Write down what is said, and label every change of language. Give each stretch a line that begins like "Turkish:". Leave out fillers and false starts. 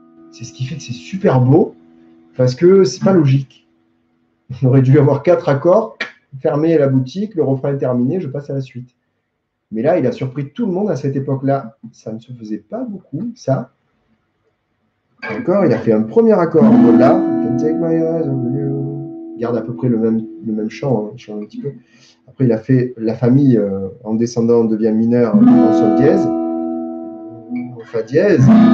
French: C'est ce qui fait que c'est super beau, parce que c'est pas logique. On aurait dû avoir 4 accords, fermer la boutique, le refrain est terminé, je passe à la suite. Mais là, il a surpris tout le monde à cette époque-là. Ça ne se faisait pas beaucoup, ça. D'accord, il a fait un premier accord en Do-La.
English: Can't take my eyes off you.
French: Il garde à peu près le même chant, hein, chant un petit peu. Après, il a fait la famille en descendant, on devient mineur, en sol dièse. En fa dièse.